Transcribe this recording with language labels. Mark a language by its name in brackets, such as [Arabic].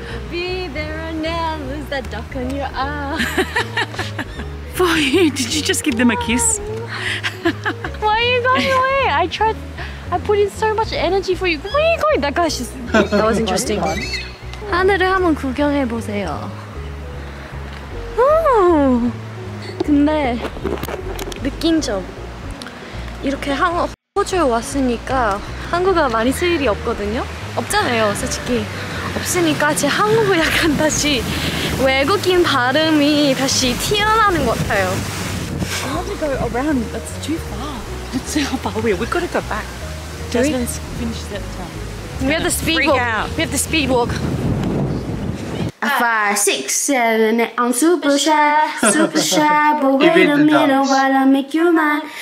[English] Be there or now, lose that duck on your arm. For you, did you just give them a kiss? Why are you going away? I tried, I put in so much energy for you. Where are you going? That guy's just, that was interesting. [Korean] 하늘을 한번 구경해보세요. Oh! 근데 느낀 점 이렇게 호주에 왔으니까 한국어 많이 쓸 일이 없거든요? 없잖아요 솔직히 없으니까 제 한국어 약간 다시 외국인 발음이 다시 튀어나오는 것 같아요 [English] I want to go around, that's too far Let's see how far we are, we gotta go back Jasmine's finished that time We have to speed walk, we have to speed walk Five, six, seven, eight. I'm super shy, but wait a minute while I make you mine.